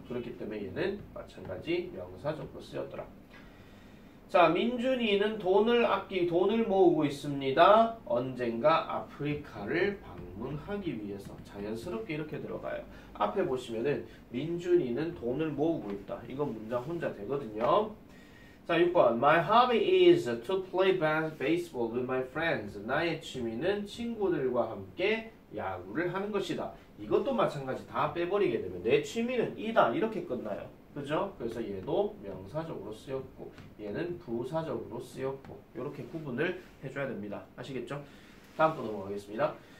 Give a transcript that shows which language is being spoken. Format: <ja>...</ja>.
<ko>그렇기 때문에 얘는 마찬가지 명사적으로 쓰였더라. 자, 민준이는 돈을 모으고 있습니다. 언젠가 아프리카를 방문하기 위해서. 자연스럽게 이렇게 들어가요. 앞에 보시면은 민준이는 돈을 모으고 있다. 이건 문장 혼자 되거든요. 자, 6번.</ko> <en>My hobby is to play baseball with my friends.</en> <ko>나의 취미는 친구들과 함께 야구를 하는 것이다. 이것도 마찬가지 다 빼버리게 되면 내 취미는 이다. 이렇게 끝나요. 그죠? 그래서 얘도 명사적으로 쓰였고, 얘는 부사적으로 쓰였고, 이렇게 구분을 해줘야 됩니다. 아시겠죠? 다음 거 넘어가겠습니다.</ko>